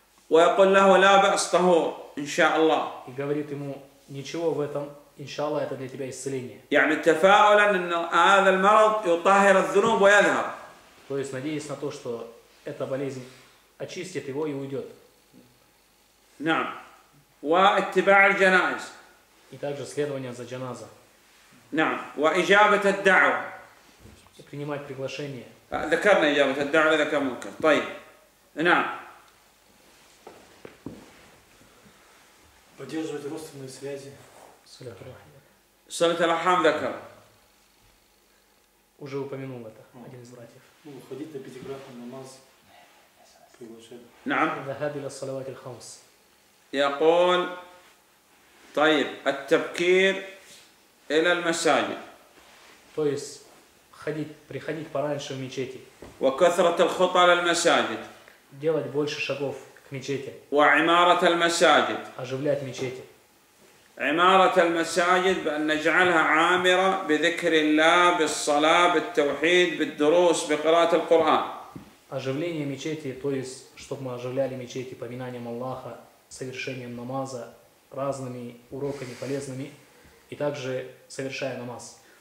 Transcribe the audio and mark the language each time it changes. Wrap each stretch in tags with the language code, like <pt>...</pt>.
<ar>ويقول له لا بأس طهور إن شاء الله.</ar> <ru>И говорит ему ничего в этом, иншалла это для тебя исцеление.</ru> <ar>يعني تفاؤلا أن هذا المرض يطهر الذنوب ويذهب.</ar> <ru>То есть надеясь на то, что эта болезнь очистит его и уйдет.</ru> <ar>نعم. واتباع الجنائز.</ar> <ru>И также следование за джаназа.</ru> <ar>نعم. وإجابة الدعوة.</ar> <ru>И принимать приглашение.</ru> <ar>ذكرنا إجابة الدعوة إذا كان ممكن. طيب. نعم.</ar> <ru>Поддерживать родственные связи.</ru> <ar>Салат ар-рахим ذكر.</ar> <ru>Уже упомянул это один из братьев. Ну, ходить на пятикратный намаз.</ru> <ar>نعم. الذهاب إلى الصلوات الخمس. يقول طيب التبكير إلى المساجد.</ar> <ru>То есть ходить, приходить пораньше в мечети.</ru> <ar>وكثرة الخطى للمساجد.</ar> <ru>Делать больше шагов к мечети.</ru> <ar>وعمارة المساجد.</ar> <ru>Оживлять мечети.</ru> <ar>عمارة المساجد بأن نجعلها عامرة بذكر الله بالصلاة بالتوحيد بالدروس بقراءة القرآن.</ar> <ru>Оживление мечети, то есть, чтобы мы оживляли мечети поминанием Аллаха, совершением намаза, разными уроками полезными, и также совершая намаз.</ru>